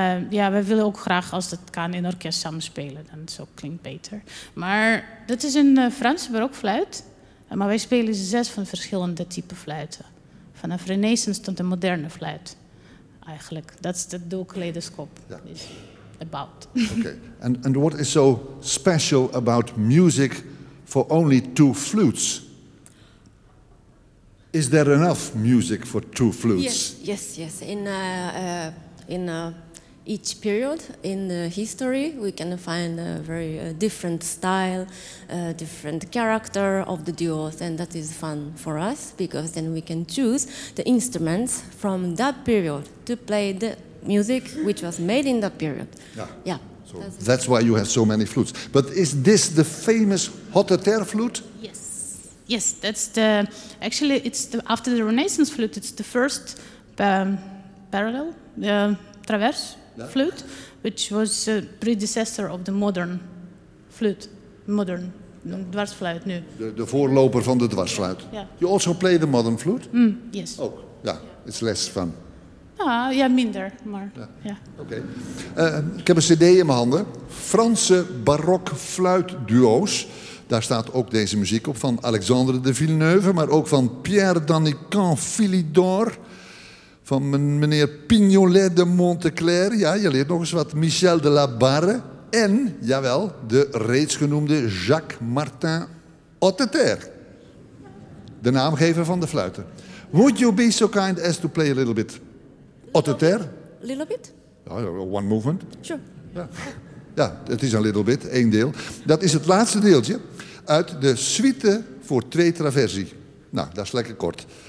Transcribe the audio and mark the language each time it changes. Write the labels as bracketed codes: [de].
[nl] Wij willen ook graag, als dat kan, in orkest samen spelen. Dan zo klinkt beter. Maar dat is een Franse barokfluit. Maar wij spelen 6 van verschillende type fluiten. Vanaf Renaissance tot een moderne fluit. Eigenlijk. Dat is de kaleidoscoop. Ja. About. [en] Okay. And what is so special about music for only 2 flutes? Is there enough music for 2 flutes? Yes. In each period in the history, we can find a very different style, different character of the duos, and that is fun for us because then we can choose the instruments from that period to play the music which was made in that period. Yeah. So that's why you have so many flutes. But is this the famous Hotteterre flute? Yes. Yes, that's the. Actually, it's the, after the Renaissance flute. It's the first parallel, traverse flute, which was a predecessor of the modern flute, modern dwarsfluit. [nl] Nu. De voorloper van de dwarsfluit. [en] Yeah. You also play the modern flute? Mm, yes. Oh, yeah. It's less fun. [nl] Minder, maar. [en] Yeah. Okay. [nl] Ik heb een CD in mijn handen. Franse barokfluitduo's. Daar staat ook deze muziek op van Alexandre de Villeneuve, maar ook van Pierre Danican Philidor, van meneer Pignolet de Monteclair. Ja, je leert nog eens wat. Michel de la Barre en, jawel, de reeds genoemde Jacques-Martin Hotteterre, de naamgever van de fluiten. [en] Would you be so kind as to play a little bit Hotteterre? A little bit? [nl] Ja, [en] one movement. Sure. [nl] Ja. Ja, het is een [en] little bit, [nl] 1 deel. Dat is het laatste deeltje uit de suite voor 2 traversie. Nou, dat is lekker kort.